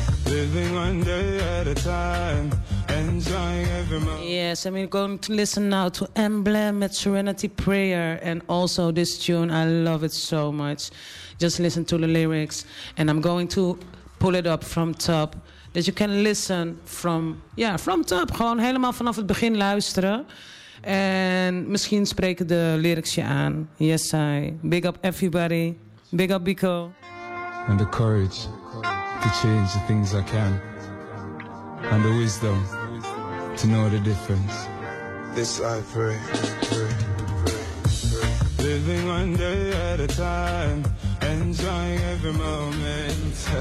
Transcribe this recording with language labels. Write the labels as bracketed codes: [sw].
[en] Living one day at a time, enjoying every moment. Yes, and we're going to listen now to Emblem at Serenity Prayer, and also this tune, I love it so much. Just listen to the lyrics, and I'm going to pull it up from top. That you can listen from, yeah, from top. [nl] Gewoon helemaal vanaf het begin luisteren. En misschien spreken de lyrics je aan. [en] Yes, I. Big up everybody. Big up Biko. And the courage to change the things I can. And the wisdom to know the difference. This I pray. Living one day at a time. Enjoying every moment.